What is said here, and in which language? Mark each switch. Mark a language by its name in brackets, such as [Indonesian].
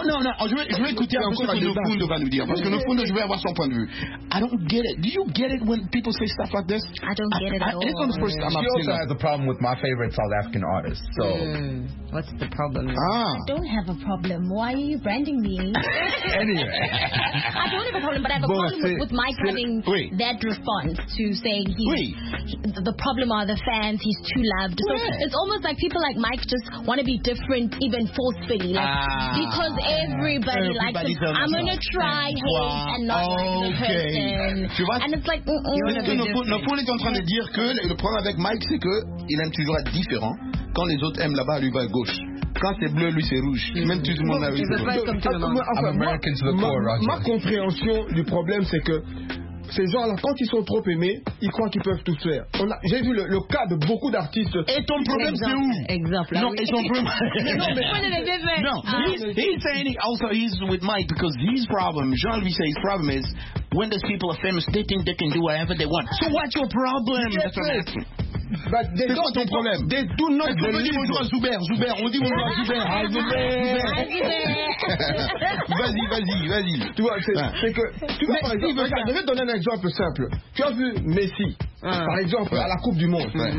[French] Je vais écouter un peu ce que Nofundo va nous dire. Parce que Nofundo, je vais avoir son point de vue. [English] I don't get it. Do you get it when people say stuff like this? I don't get it at all. It's not the first time I've seen it. She also has a problem with my favorite South African artist. So. What's the problem? I don't have a problem. Why are you branding me? Anyway. I don't have a problem, but I have a problem with Mike having that response to saying the problem are the fans, he's too loved. [French] Oui. [English] So it's almost like people like Mike just want to be different, even forcefully. Like, because everybody likes him. I'm going to try him and not like the person. And it's like, [French] Nopoul est en train de dire que le problème avec Mike, c'est qu'il aime toujours être différent. Quand les autres aiment là-bas, lui va à gauche. Quand c'est bleu, lui c'est rouge. Même tout le monde a vu. Ma compréhension du problème, c'est que ces gens-là, quand ils sont trop aimés, ils croient qu'ils peuvent tout faire. On a, j'ai vu le cas de beaucoup d'artistes. Et ton problème, exemple, c'est où? Exemple. Non, oui. Et ton problème. Non, mais. [English] He's saying it also, he's with Mike, because his problem, Jean-Louis says his problem is, when these people are famous, they think they can do whatever they want. So what's your problem? Yes, but they [French] c'est quoi ton problème? [English] They do not believe. [French] On dit bonjour à Zuber, Zuber, on dit bonjour à Zuber. [English] Hi, Zuber. [French] Vas-y, vas-y, vas-y. Tu vois, c'est que... Tu vois, par exemple, regarde, je vais te donner un exemple simple. Tu as vu Messi, par exemple, à la Coupe du Monde.